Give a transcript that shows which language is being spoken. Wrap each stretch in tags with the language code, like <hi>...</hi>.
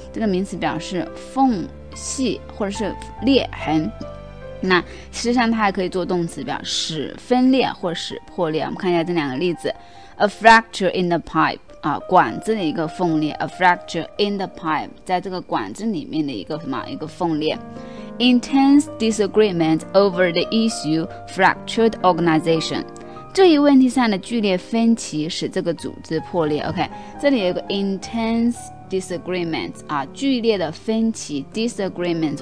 <zh>这个名词表示缝隙或者是裂痕。那事实上它还可以做动词，表示分裂或是破裂。我们看一下这两个例子。</zh> <en>A fracture in the pipe</en> <zh>啊，管子的一个缝裂。</zh> <en>A fracture in the pipe，</en> <zh>在这个管子里面的一个什么，一个缝裂。</zh> <en>Intense disagreement over the issue fractured organization，</en> <zh>这一问题上的剧烈分歧使这个组织破裂。 OK， 这里有一个</zh> <en>intense disagreement</en> <zh>啊，剧烈的分歧 disagreement。</zh>